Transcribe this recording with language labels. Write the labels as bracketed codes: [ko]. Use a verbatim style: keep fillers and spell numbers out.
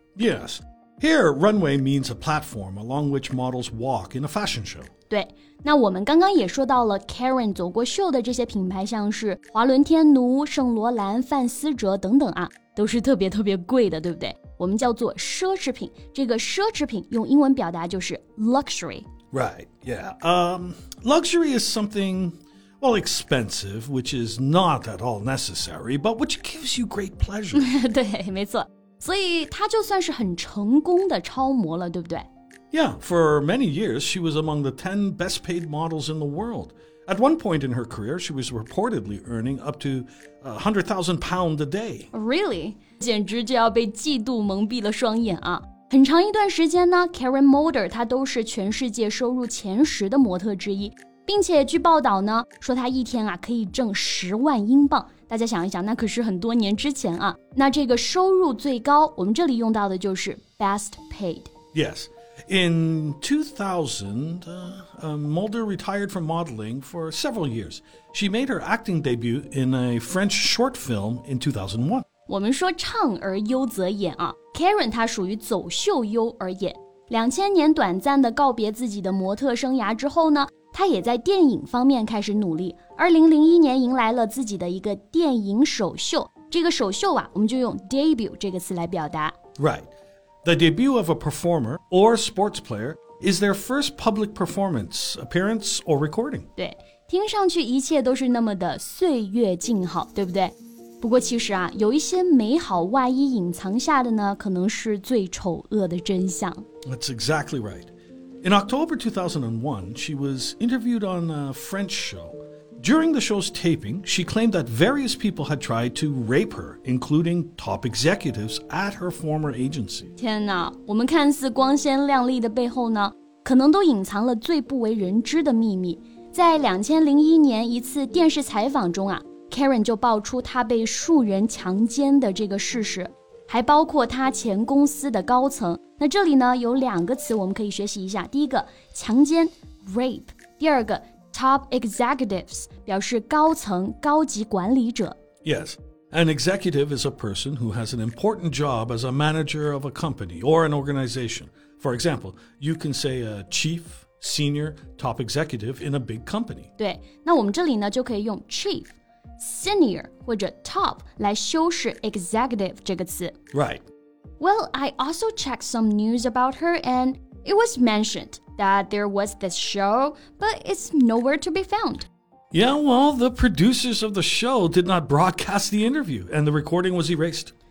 [en] Yes. Here, runway means a platform along which models walk in a fashion show. [zh] 对，那我们刚刚也说到了 Karen 走过秀的这些品牌，像是华伦天奴、圣罗兰、范思哲等等啊，都是特别特别贵的，对不对？我们叫做奢侈品。这个奢侈品用英文表达就是 luxury. [en] Right, yeah. Um, luxury is something, well, expensive, which is not at all necessary, but which gives you great pleasure. [zh] 对，没错。所以她就算是很成功的超模了，对不对？ [en] Yeah, for many years she was among the ten best paid models in the world. At one point in her career, she was reportedly earning up to one hundred thousand pounds a day. Really? [zh] 简直就要被嫉妒蒙蔽了双眼啊。很长一段时间呢， Karen Mulder 她都是全世界收入前十的模特之一，并且据报道呢，说她一天啊可以挣十万英镑。大家想一想，那可是很多年之前啊。那这个收入最高，我们这里用到的就是 best paid. [en] Yes. In two thousand, uh, uh, Mulder retired from modeling for several years. She made her acting debut in a French short film in two thousand one. [zh] 我们说唱而优则演啊， Karen 她属于走秀优而演。两千年短暂的告别自己的模特生涯之后呢，她也在电影方面开始努力。二零零一年迎来了自己的一个电影首秀。这个首秀啊，我们就用 debut 这个词来表达。 [en] Right. The debut of a performer or sports player is their first public performance, appearance or recording. [zh] 对，听上去一切都是那么的岁月静好，对不对？不过其实啊，有一些美好外衣隐藏下的呢，可能是最丑恶的真相。 [en] That's exactly right. In October two thousand one, she was interviewed on a French show. During the show's taping, she claimed that various people had tried to rape her, including top executives at her former agency. [zh] 天哪，我们看似光鲜亮丽的背后呢，可能都隐藏了最不为人知的秘密。在二零零一年一次电视采访中啊， Karen 就爆出她被数人强奸的这个事实，还包括她前公司的高层。那这里呢，有两个词我们可以学习一下，第一个强奸 rape， 第二个 top executives， 表示高层高级管理者。 [en] Yes, an executive is a person who has an important job as a manager of a company or an organization. For example, you can say a chief, senior, top executive in a big company. [zh] 对，那我们这里呢就可以用 chief, senior 或者 top 来修饰 executive 这个词。 [en] Right. Well, I also checked some news about her, and it was mentioned that there was this show, but it's nowhere to be found. Yeah, well, the producers of the show did not broadcast the interview, and the recording was erased.